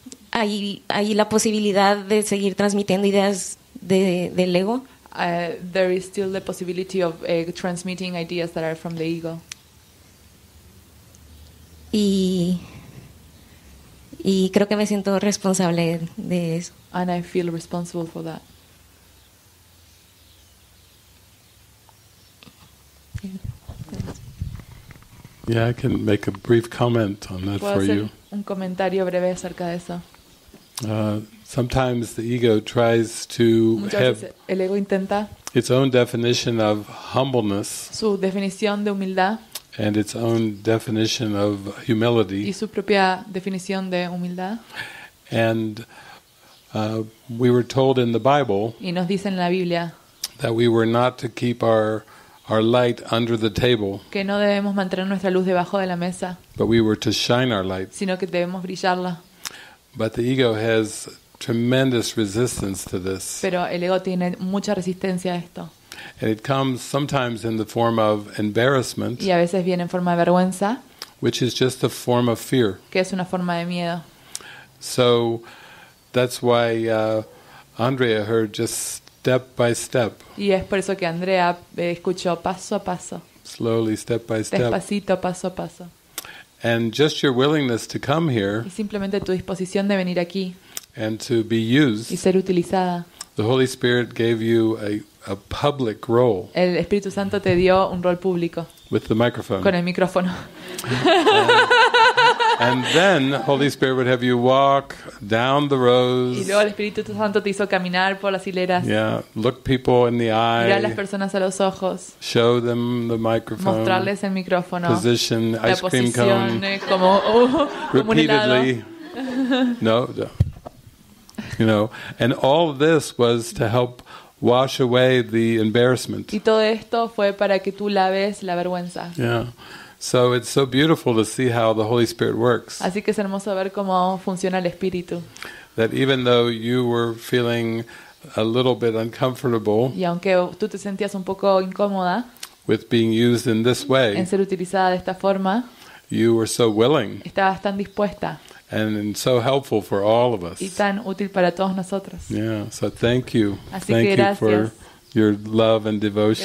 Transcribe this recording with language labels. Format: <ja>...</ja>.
<es>hay la posibilidad de seguir transmitiendo ideas del ego.</es> <en>There is still the possibility of transmitting ideas that are from the ego.</en> <es>Y creo que me siento responsable de eso.</es> <en>And I feel responsible for that. Yeah, I can make a brief comment on that for you.</en> <es>¿Puedo hacer un comentario breve acerca de eso?</es> <en>Sometimes the ego tries to have</en> <es>el ego intenta</es> <en>its own definition of humbleness,</en> <es>su definición de humildad,</es> <en>and its own definition of humility,</en> <es>y su propia definición de humildad.</es> <en>And we were told in the Bible,</en> <es>y nos dicen en la Biblia,</es> <en>that we were not to keep our light under the table,</en> <es>que no debemos mantener nuestra luz debajo de la mesa,</es> <en>but we were to shine our light,</en> <es>sino que debemos brillarla.</es> <en>But the ego has tremendous resistance to this.</en> <es>Pero el ego tiene mucha resistencia a esto.</es> <en>And it comes sometimes in the form of embarrassment.</en> <es>Y a veces viene en forma de vergüenza.</es> <en>Which is just a form of fear.</en> <es>Que es una forma de miedo.</es> <en>So that's why Andrea heard just step by step.</en> <es>Y es por eso que Andrea escuchó paso a paso.</es> <en>Slowly, step by step.</en> <es>Despacito, paso a paso.</es> <en>And just your willingness to come here,</en> <es>y simplemente tu disposición de venir aquí,</es> <en>and to be used,</en> <es>y ser utilizada.</es> <en>The Holy Spirit gave you a public role.</en> <es>El Espíritu Santo te dio un rol público.</es> <en>With the microphone.</en> <es>Con el micrófono.</es> <en>And then the Holy Spirit would have you walk down the rows.</en> <es>Y luego el Espíritu Santo te hizo caminar por las hileras.</es> <en>Yeah, look people in the eye.</en> <es>Mirar a las personas a los ojos.</es> <en>Show them the microphone.</en> <es>Mostrarles el micrófono.</es> <en>Position</en> <es>la</es> <en>ice cream cone.</en> <es>Como un helado.</es> <en>Repeatedly. No, no. You know, and all this was to help wash away the embarrassment.</en> <es>Y todo esto fue para que tú laves la vergüenza.</es> <en>Yeah. So it's so beautiful to see how the Holy Spirit works.</en> <es>Así que es hermoso ver cómo funciona el Espíritu.</es> <en>That even though you were feeling a little bit uncomfortable,</en> <es>y aunque tú te sentías un poco incómoda,</es> <en>with being used in this way,</en> <es>en ser utilizada de esta forma,</es> <en>you were so willing,</en> <es>estabas tan dispuesta,</es> <en>and so helpful for all of us,</en> <es>y tan útil para todos nosotros.</es> <en>Yeah, so thank you.</en> <es>Así</es> <en>thank</en> <es>que gracias.</es> <en>You for your love and devotion.</en>